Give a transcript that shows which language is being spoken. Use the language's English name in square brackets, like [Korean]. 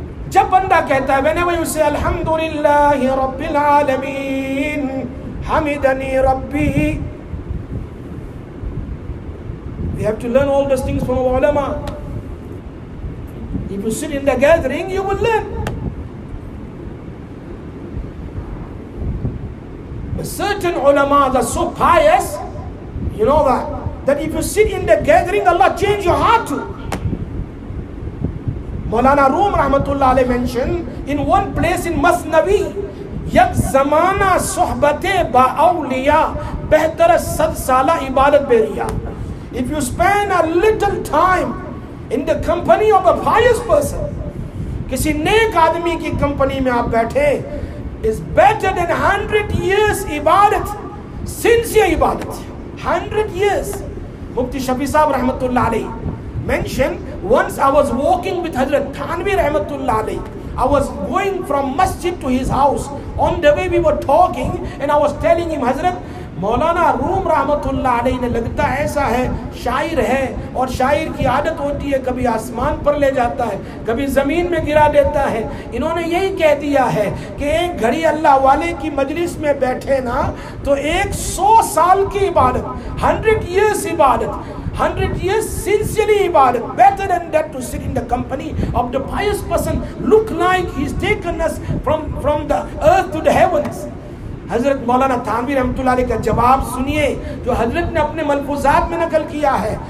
[English] جب بندہ کہتا ہے وین ایور یو سے [Arabic] الحمدللہ رب العالمین حمدنی ربی, [English] we have to learn all those things from our ulama. If you sit in the gathering, you will learn. But certain ulama are so pious, you know that, that if you sit in the gathering, Allah change your heart too. Maulana Rum Rahmatullah Ali mentioned, in one place in Masnavi, [Persian] yak zamana sohbate ba awliya behtar sad sala ibadat beriya. [English] If you spend a little time in the company of a pious person, [Urdu] kisi nek aadmi ki company mein aap baithe, [English] is better than 100 years ibadat, sincere ibadat. 100 years. Mufti Shafi Sahab Rahmatullah Alayhi mentioned, once I was walking with Hazrat Thanvi Rahmatullah Alayhi. I was going from masjid to his house. On the way we were talking and I was telling him, Hazrat, [Urdu] مولانا روم رحمت اللہ علیہ نے لگتا ایسا ہے شاعر ہے, اور شاعر کی عادت ہوتی ہے کبھی آسمان پر لے جاتا ہے کبھی زمین میں گرا دیتا ہے. انہوں نے یہی کہہ دیا ہے کہ ایک گھڑی اللہ والے کی مجلس میں بیٹھے نا تو 100 سال کی عبادت, 100 years عبادت, [English] 100 years sincerely ibadat, better than that to sit in the company of the pious person, look like he's taken us from the earth to the heavens. [Urdu] حضرت مولانا تھانوی رحمت اللہ علیہ کا جواب سنیے جو حضرت نے اپنے ملفوظات میں نقل کیا ہے.